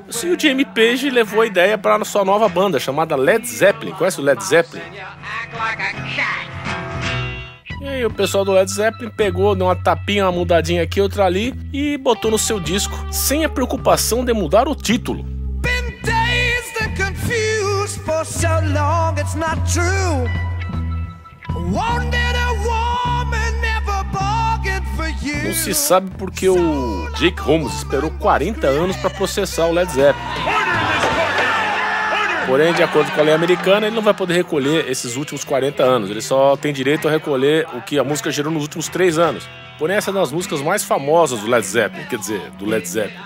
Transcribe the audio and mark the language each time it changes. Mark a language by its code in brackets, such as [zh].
[pt] Assim, o Jimmy Page levou a ideia para a sua nova banda, chamada Led Zeppelin. Conhece o Led Zeppelin? E aí o pessoal do Led Zeppelin pegou, deu uma tapinha, uma mudadinha aqui, outra ali, e botou no seu disco, sem a preocupação de mudar o título. [en] Been dazed and confused for so long, it's not true. Wanted a woman, never bargained for [pt] Não se sabe porque o Jake Holmes esperou 40 anos para processar o Led Zeppelin. Porém, de acordo com a lei americana, ele não vai poder recolher esses últimos 40 anos. Ele só tem direito a recolher o que a música gerou nos últimos 3 anos. Porém, essa é uma das músicas mais famosas do Led Zeppelin, quer dizer, do Led Zeppelin.